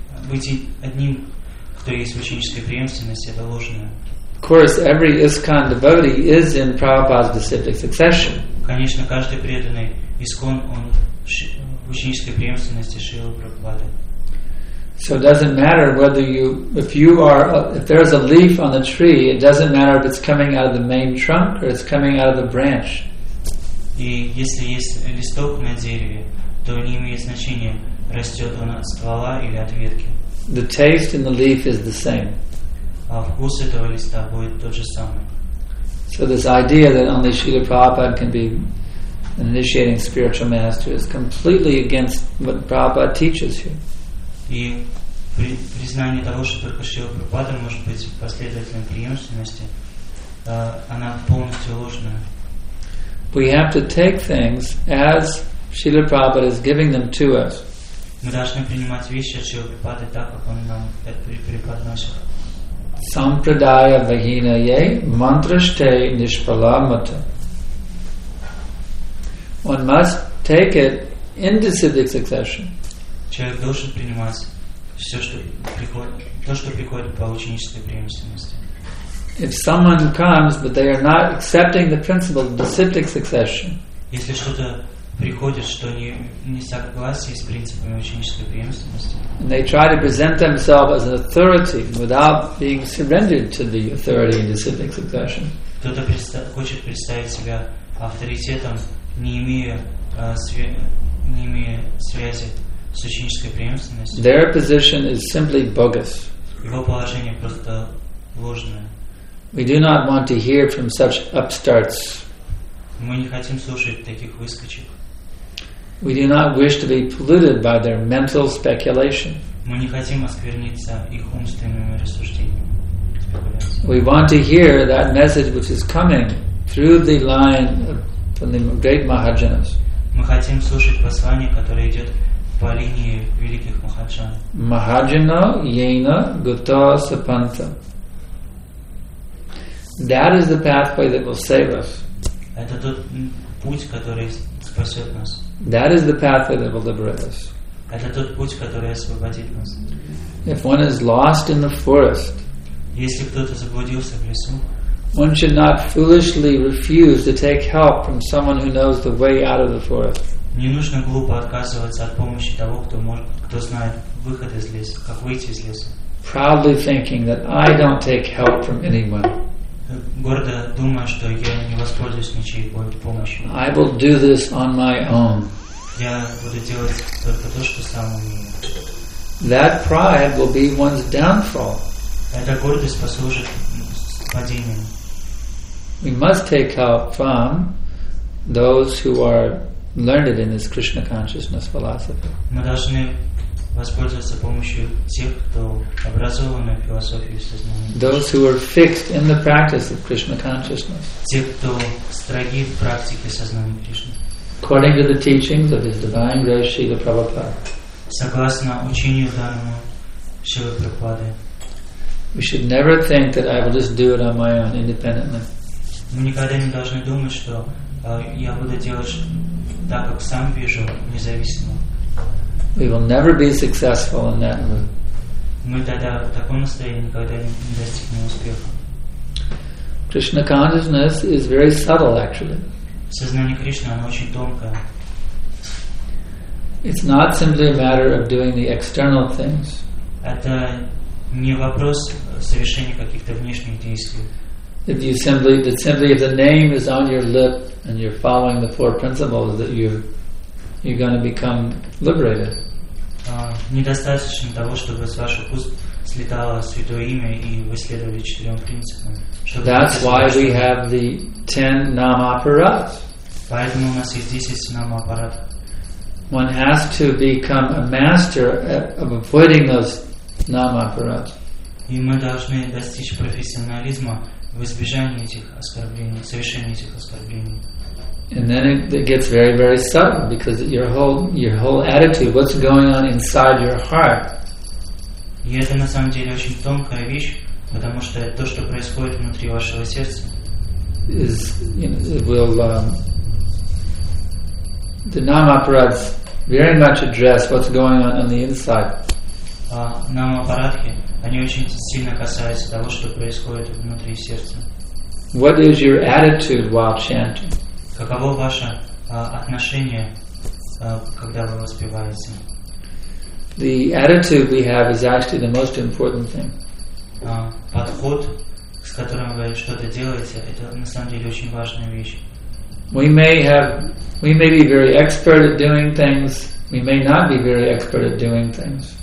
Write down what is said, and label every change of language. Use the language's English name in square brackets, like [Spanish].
[Russian] Быть одним, кто есть в ученической преемственности, это ложное. [English] Of course, every ISKCON devotee is in Prabhupada's disciplic succession. [Russian] Конечно, каждый преданный ИСКОН он в ученической преемственности Шрилы Прабхупады. [English] So it doesn't matter whether you, if you are, if there is a leaf on the tree, it doesn't matter if it's coming out of the main trunk or it's coming out of the branch. [Russian] И если есть листок на дереве, то не имеет значения, растет он от ствола или от ветки. [English] The taste in the leaf is the same. [Russian] А вкус этого листа будет тот же самый. [English] So this idea that only Srila Prabhupada can be an initiating spiritual master is completely against what Prabhupada teaches here. [Russian] И признание того, что только Шрила Прабхупада может быть последователем преемственности, она полностью ложная. [English] We have to take things as Srila Prabhupada is giving them to us. [Russian] Мы должны принимать вещи от Шрилы Прабхупады так, как он нам это преподносит. [Sanskrit] Sampradaya vahinaye mantrashte nishpalamata. [English] One must take it in disciplic succession. [Russian] Человек должен принимать все, что приходит, то, что приходит по ученической преемственности. [English] If someone comes, but they are not accepting the principle of disciplic succession. [Russian] Если что-то приходит, что не согласие с принципами ученической преемственности. [English] And they try to present themselves as an authority without being surrendered to the authority in disciplic succession. [Russian] Кто-то хочет представить себя авторитетом, не имея связи с ученической преемственностью. [English] Their position is simply bogus. [Russian] Его положение просто ложное. [English] We do not want to hear from such upstarts. [Russian] Мы не хотим слушать таких выскочек. [English] We do not wish to be polluted by their mental speculation. [Russian] Мы не хотим оскверниться их умственными рассуждениями. [English] We want to hear that message which is coming through the line from the great Mahajanas. [Russian] Мы хотим слушать послание, которое идет по линии великих Махаджан. [Sanskrit] Mahajana yena guta sapanta. [English] That is the pathway that will save us. [Russian] Это тот путь, который спасет нас. [English] That is the pathway that will liberate us. [Russian] Это тот путь, который освободит нас. [English] If one is lost in the forest, [Russian] если кто-то заблудился в лесу, [English] one should not foolishly refuse to take help from someone who knows the way out of the forest. [Russian] Не нужно глупо отказываться от помощи того, кто может, кто знает выход из леса, как выйти из леса. [English] Proudly thinking that I don't take help from anyone. [Russian] Гордо думая, что я не воспользуюсь ничьей помощью. [English] I will do this on my own. [Russian] Я буду делать только то, что сам умею. [English] That pride will be one's downfall. [Russian] Эта гордость послужит падением. [English] We must take help from those who are learned in this Krishna consciousness philosophy. [Russian] Мы должны воспользоваться помощью тех, кто образован в философии сознания. [English] Those who are fixed in the practice of Krishna consciousness. [Russian] Тех, кто строги в практике сознания Кришны. [English] According to the teachings of His Divine Grace Śrīla Prabhupāda. [Russian] Согласно учению данному Śrīla Prabhupāda. [English] We should never think that I will just do it on my own, independently. [Russian] Мы никогда не должны думать, что я буду делать так, как сам вижу, независимо. [English] We will never be successful in that mood. [Russian] Мы тогда в таком настроении никогда не достигнем успеха. [English] Krishna consciousness is very subtle, actually. [Russian] Сознание Кришны, оно очень тонкое. [English] It's not simply a matter of doing the external things. [Russian] Это не вопрос совершения каких-то внешних действий. [English] If you simply, that simply if the name is on your lip and you're following the four principles, that you're going to become liberated. [Russian] Недостаточно того, чтобы с ваших уст слетало святое имя и вы следовали четырем принципам. [English] That's why we have the 10 namaparat. [Russian] Поэтому у нас есть 10 намапарат. [English] One has to become a master of avoiding those namaparat. [Russian] И мы должны достичь профессионализма в избежании этих оскорблений, совершения этих оскорблений. [English] And then it gets very, very subtle because your whole attitude, what's going on inside your heart. [Russian] И это на самом деле очень тонкая вещь, потому что то, что происходит внутри вашего сердца, [English] is, you know, it will the namaparads very much address what's going on the inside. [Russian] Намапарадхи, они очень сильно касаются того, что происходит внутри сердца. [English] What is your attitude while chanting? [Russian] Каково ваше отношение, когда вы воспеваете? [English] The attitude we have is actually the most important thing. [Russian] Подход, с которым вы что-то делаете, это на самом деле очень важная вещь. [English] We may be very expert at doing things. We may not be very expert at doing things.